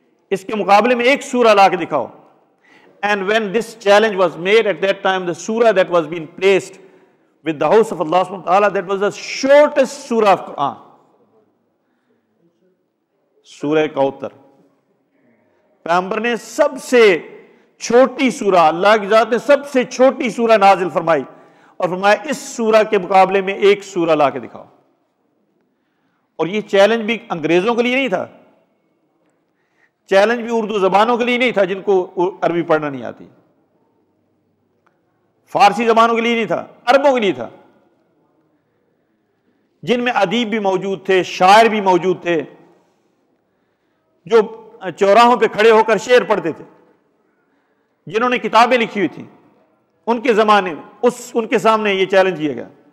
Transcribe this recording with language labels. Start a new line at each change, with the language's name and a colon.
Urdu: اس کے مقابلے میں ایک سورہ لا کے دکھاؤ.
English: And when this challenge was made at that time, the surah that was being placed with the house of Allah subhanahu wa ta'ala, that was the shortest surah of Quran.
Urdu: سورہ کوثر. پیغمبر نے سب سے چھوٹی سورہ, اللہ کی ذات نے سب سے چھوٹی سورہ نازل فرمائی اور فرمایا اس سورہ کے مقابلے میں ایک سورہ لا کے دکھاؤ. اور یہ چیلنج بھی انگریزوں کے لیے نہیں تھا, چیلنج بھی اردو زبانوں کے لیے نہیں تھا جن کو عربی پڑھنا نہیں آتی, فارسی زبانوں کے لیے نہیں تھا, عربوں کے لیے تھا جن میں ادیب بھی موجود تھے, شاعر بھی موجود تھے, جو چوراہوں پہ کھڑے ہو کر شعر پڑھتے تھے, جنہوں نے کتابیں لکھی ہوئی تھیں ان کے زمانے میں, ان کے سامنے یہ چیلنج کیا گیا.